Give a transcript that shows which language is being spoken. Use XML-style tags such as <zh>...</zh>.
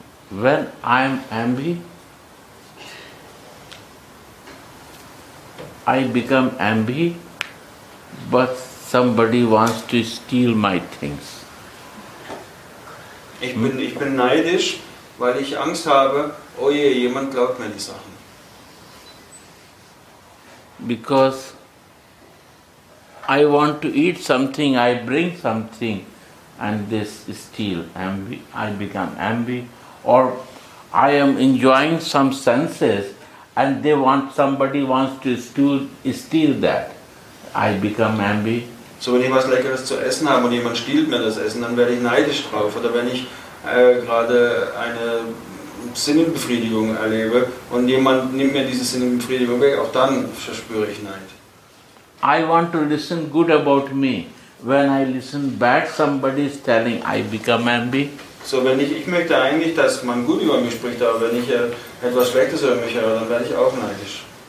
<en>When I am envy, I become envy, but somebody wants to steal my things.</en> <de>Ich bin neidisch, weil ich Angst habe, oh je, jemand klaut mir die Sachen.</de> <en>Because I want to eat something, I bring something, and this is still envy. I become envy, or I am enjoying some senses, and somebody wants to steal that. I become envy.</en> <de>So wenn ich was Leckeres zu essen habe und jemand stiehlt mir das Essen, dann werde ich neidisch drauf. Oder wenn ich gerade eine Sinnenbefriedigung erlebe und jemand nimmt mir diese Sinnenbefriedigung weg, auch dann verspüre ich Neid.</de> <en>I want to listen good about me. When I listen bad, somebody is telling, I become envy.</en> <de>So, ich möchte eigentlich, dass man gut über mich spricht, aber wenn ich etwas Schlechtes über mich höre, dann werde ich auch neidisch.</de>